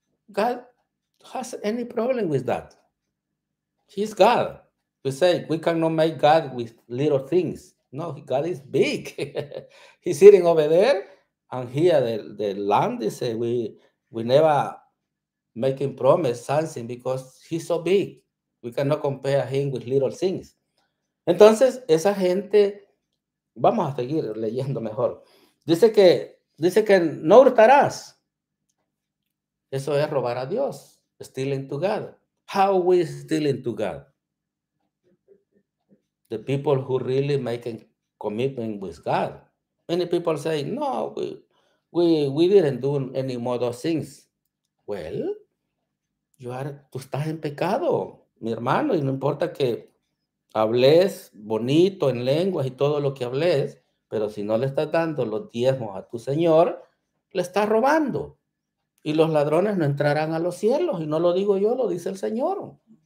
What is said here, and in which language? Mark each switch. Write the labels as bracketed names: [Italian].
[English] God has any problem with that. He's God. We say we cannot make God with little things. No, God is big. He's sitting over there, and here the land is we never make him promise something because he's so big. We cannot compare him with little things. [Spanish] Entonces, esa gente, vamos a seguir leyendo mejor. Dice que no hurtarás. Eso es robar a Dios. [English] Stealing to God. How we stealing to God? The people who really make a commitment with God. Many people say, no, we didn't do any more those things. Well, [Spanish] tú estás en pecado, mi hermano, y no importa que hables bonito en lenguas y todo lo que hables, pero si no le estás dando los diezmos a tu Señor, le estás robando. Y los ladrones no entrarán a los cielos. Y no lo digo yo, lo dice el Señor.